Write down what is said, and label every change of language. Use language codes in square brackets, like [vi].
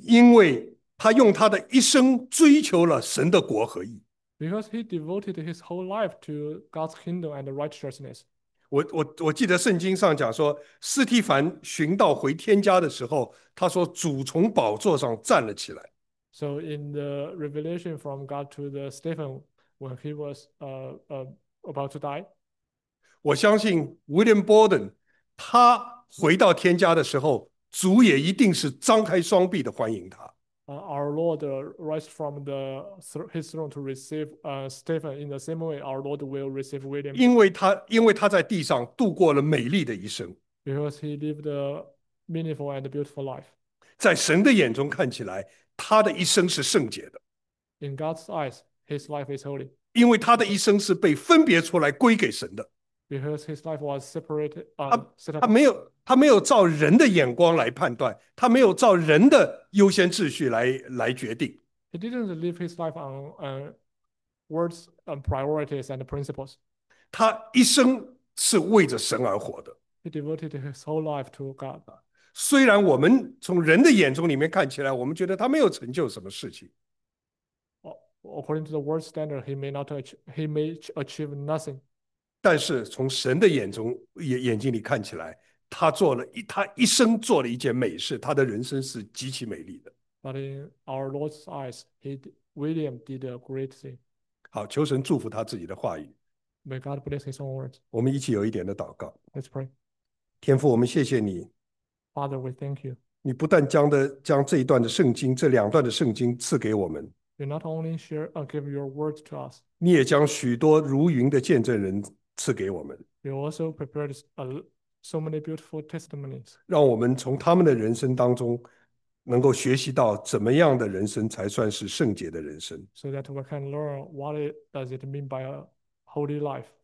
[zh] 因为他用他的一生追求了神的国和义。 [en] Because he devoted his whole life to God's kingdom and righteousness. [zh] 我记得圣经上讲说，斯提凡寻道回天家的时候，他说主从宝座上站了起来。 [en] So in the revelation from God to the Stephen when he was about to die, [zh] 我相信 William Borden，他回到天家的时候，主也一定是张开双臂的欢迎他。 [en] our Lord rise from his throne to receive Stephen in the same way our Lord will receive William, [zh] 因为他在地上度过了美丽的一生， [en] because he lived a meaningful and beautiful life. [zh] 在神的眼中看起来，他的一生是圣洁的， [en] In God's eyes, his life is holy. [zh] 因为他的一生是被分别出来归给神的。 [en] Because his life was separated, set up. [zh] 他没有照人的眼光来判断，他没有照人的优先秩序来决定。 [en] He didn't live his life on words and priorities and principles. [zh] 他一生是为着神而活的。 [en] He devoted his whole life to God. [zh] 虽然我们从人的眼中里面看起来，我们觉得他没有成就什么事情。 [en] According to the world standard, he may achieve nothing. [zh] 但是从神的眼中眼睛里看起来，他一生做了一件美事，他的人生是极其美丽的。 [en] But in our Lord's eyes, William did a great thing. [zh] 好，求神祝福他自己的话语。 [en] May God bless his own words. [zh] 我们一起有一点的祷告。 [en] Let's pray. [zh] 天父，我们谢谢你， [en] Father, we thank you. [zh] 你不但将这一段的圣经，这两段的圣经赐给我们， [en] You not only share and give your words to us, [zh] 你也将许多如云的见证人赐给我们， [en] you also prepared so many beautiful testimonies. [zh] 让我们从他们的人生当中能够学习到怎么样的人生才算是圣洁的人生。 [en] So that we can learn what does it mean by a holy life.